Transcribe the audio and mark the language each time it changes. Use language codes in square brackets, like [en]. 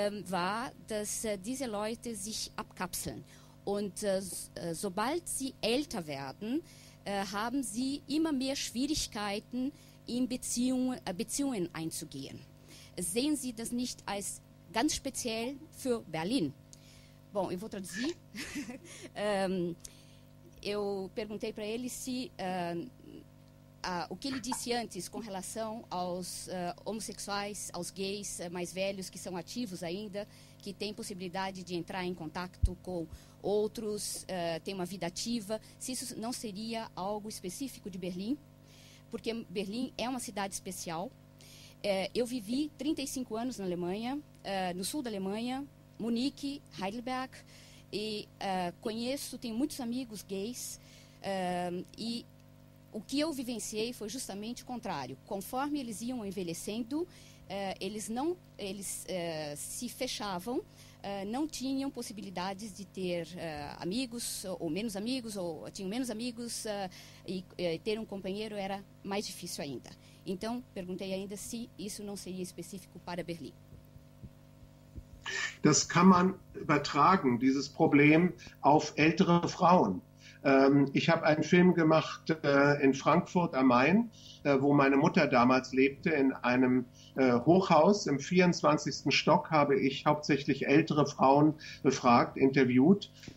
[de] war, dass diese Leute sich abkapseln und sobald sie älter werden, haben sie immer mehr Schwierigkeiten in Beziehungen einzugehen. Sehen Sie das nicht als ganz speziell für Berlin? [pt] Bom, eu vou traduzir. eu perguntei para ele se o que ele disse antes com relação aos homossexuais, aos gays mais velhos que são ativos ainda, que têm possibilidade de entrar em contato com outros, têm uma vida ativa, se isso não seria algo específico de Berlim, porque Berlim é uma cidade especial. Eu vivi 35 anos na Alemanha, no sul da Alemanha, Munique, Heidelberg, e conheço, tenho muitos amigos gays, e o que eu vivenciei foi justamente o contrário. Conforme eles iam envelhecendo, eles se fechavam, não tinham possibilidades de ter amigos, ou menos amigos, ou tinham menos amigos, e ter um companheiro era mais difícil ainda. Então, perguntei ainda se isso não seria específico para Berlim. [de] Das kann man übertragen, dieses Problem, auf ältere Frauen. Ich habe einen Film gemacht in Frankfurt am Main, wo meine Mutter damals lebte, in einem Hochhaus. Im 24. Stock habe ich hauptsächlich ältere Frauen befragt, interviewt.